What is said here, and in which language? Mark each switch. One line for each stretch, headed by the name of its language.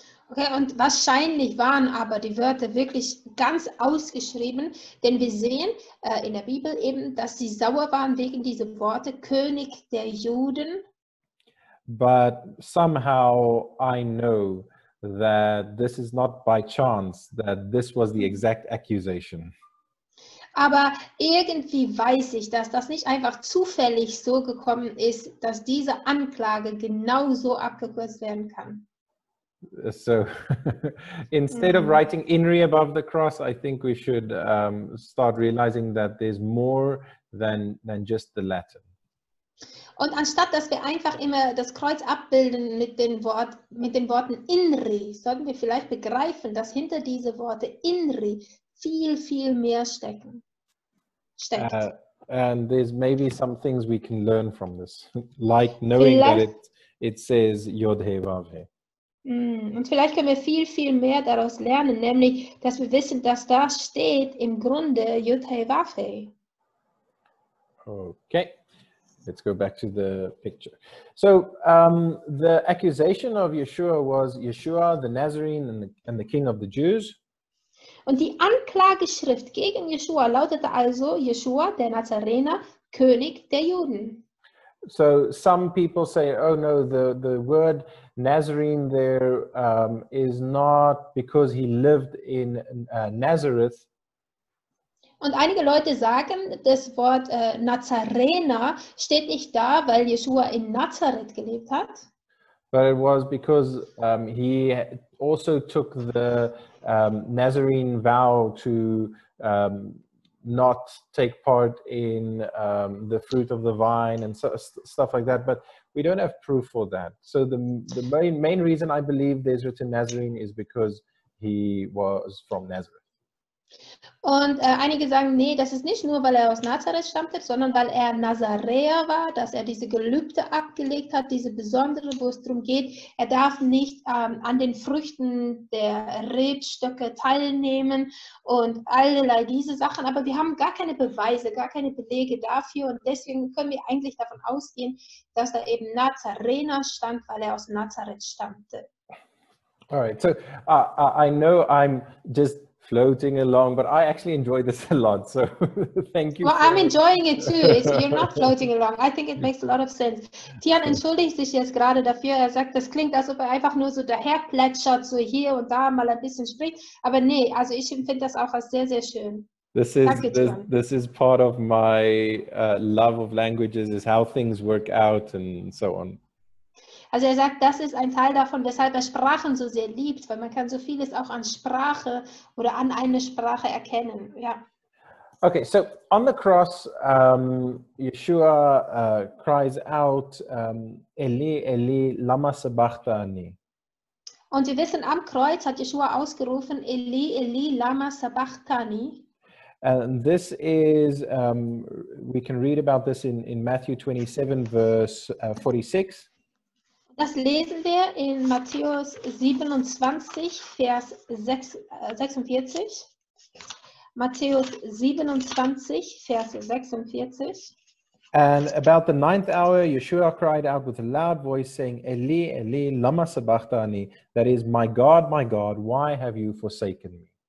German: Okay, und wahrscheinlich waren aber die Wörter wirklich ganz ausgeschrieben, denn wir sehen in der Bibel eben, dass sie sauer waren wegen dieser Worte König der Juden.
English: But somehow I know that this is not by chance that this was the exact accusation.
German: Aber irgendwie weiß ich, dass das nicht einfach zufällig so gekommen ist, dass diese Anklage genau so abgekürzt werden kann.
English: So instead of writing Inri above the cross, I think we should start realizing that there's more than just the Latin.
German: Und anstatt, dass wir einfach immer das Kreuz abbilden mit den Worten Inri, sollten wir vielleicht begreifen, dass hinter diese Worte Inri viel, viel mehr steckt.
English: And there's maybe some things we can learn from this, like knowing
German: vielleicht,
English: that it says Yod-Heh-Vav-Heh.
German: Und vielleicht können wir viel, viel mehr daraus lernen, nämlich, dass wir wissen, dass da steht im Grunde Yod-Heh-Vav-Heh.
English: Okay. Let's go back to the picture. So the accusation of Yeshua was Yeshua, the Nazarene, and the King of the Jews.
German: Und die Anklageschrift gegen Yeshua lautete also Yeshua, der Nazarener, König der Juden.
English: So some people say, oh no, the word Nazarene there is not because he lived in Nazareth.
German: Und einige Leute sagen, das Wort Nazarener steht nicht da, weil Yeshua in Nazareth gelebt hat.
English: But it was because he also took the Nazarene vow to not take part in the fruit of the vine and stuff like that. But we don't have proof for that. So the main reason I believe there's written Nazarene is because he was from Nazareth.
German: Und einige sagen, nee, das ist nicht nur, weil er aus Nazareth stammte, sondern weil er Nazaräer war, dass er diese Gelübde abgelegt hat, diese besondere, wo es darum geht, er darf nicht an den Früchten der Rebstöcke teilnehmen und allerlei diese Sachen. Aber wir haben gar keine Beweise, gar keine Belege dafür und deswegen können wir eigentlich davon ausgehen, dass er eben Nazarener stand, weil er aus Nazareth stammte.
English: All right, so I know I'm just floating along, but I actually enjoy this a lot, so thank you. Well, I'm enjoying it too. You're not floating along. I think it makes a lot of sense.
German: Tian entschuldigt sich jetzt gerade dafür. Er sagt, das klingt, als ob er einfach nur so daher plätschert, so hier und da mal ein bisschen spricht. Aber nee, also ich empfinde das auch als sehr, sehr schön.
English: This is part of my love of languages, is how things work out and so on.
German: Also er sagt, das ist ein Teil davon, weshalb er Sprachen so sehr liebt, weil man kann so vieles auch an Sprache oder an eine Sprache erkennen. Ja.
English: Okay, so on the cross, Yeshua cries out,
Aramaic: Eli, Eli, lama sabachthani.
German: Und wir wissen, am Kreuz hat Yeshua ausgerufen,
Aramaic: Eli, Eli, lama sabachthani.
English: And this is, we can read about this in Matthew 27, verse 46.
German: Das lesen wir in Matthäus 27, Vers 46. Matthäus 27, Vers 46.
English: And about the ninth hour, Yeshua cried out with a loud voice, saying,
Aramaic: Eli, Eli, lama sabachthani,
English: that is, my God, why have you forsaken me?